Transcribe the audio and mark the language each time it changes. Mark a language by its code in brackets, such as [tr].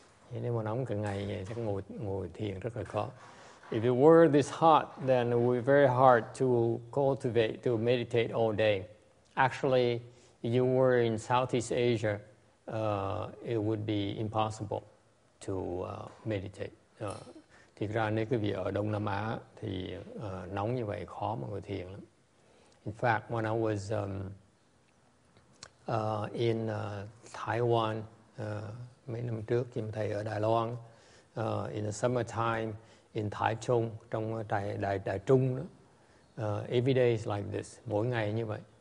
[vi] Thế nếu mà nóng cả ngày vậy chắc ngồi thiền rất là khó. [en] If it were this hot, then it would be very hard to cultivate, to meditate all day. Actually, if you were in Southeast Asia, it would be impossible to meditate. [vi] Thì ra nếu quý vị ở Đông Nam Á thì nóng như vậy khó mà ngồi thiền lắm. [en] In fact, when I was in Taiwan, mấy năm trước khi mà thầy ở Đài Loan, in the summertime, in Taichung, trong Đài Trung, every day is like this, mỗi ngày như vậy.